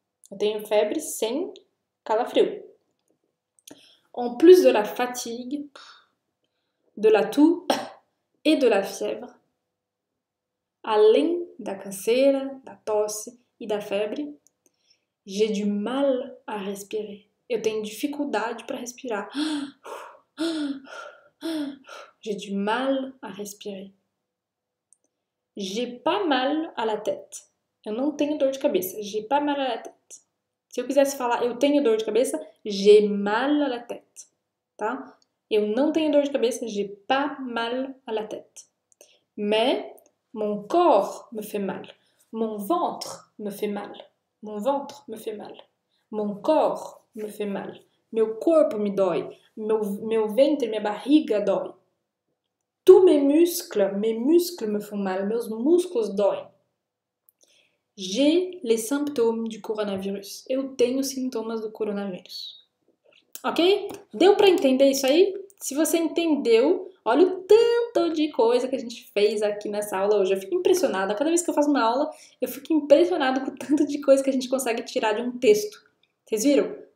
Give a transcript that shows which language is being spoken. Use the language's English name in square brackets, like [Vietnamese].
[Portuguese] Eu tenho febre sem calafrio. [French] En plus de la fatigue, de la toux et de la fièvre, [Portuguese] além da canseira, da tosse e da febre, [French] j'ai du mal à respirer. [Portuguese] Eu tenho dificuldade para respirar. [French] J'ai du mal à respirer. J'ai pas mal à la tête. [Portuguese] Eu não tenho dor de cabeça. [French] J'ai pas mal à la tête. [Portuguese] Se eu quisesse falar eu tenho dor de cabeça, [French] j'ai mal à la tête. [Portuguese] Tá? Eu não tenho dor de cabeça, [French] j'ai pas mal à la tête. Mais mon corps me fait mal. Mon ventre me fait mal. Mon ventre me fait mal. Mon corps me fait mal. [Portuguese] Meu corpo me dói. Meu ventre, minha barriga dói. [French] Tous mes muscles me font mal. [Portuguese] Meus músculos doem. [French] J'ai les symptômes du coronavirus. [Portuguese] Eu tenho sintomas do coronavírus. Ok? Deu para entender isso aí? Se você entendeu, olha o tanto de coisa que a gente fez aqui nessa aula hoje. Eu fico impressionada. Cada vez que eu faço uma aula, eu fico impressionada com o tanto de coisa que a gente consegue tirar de um texto. Vocês viram?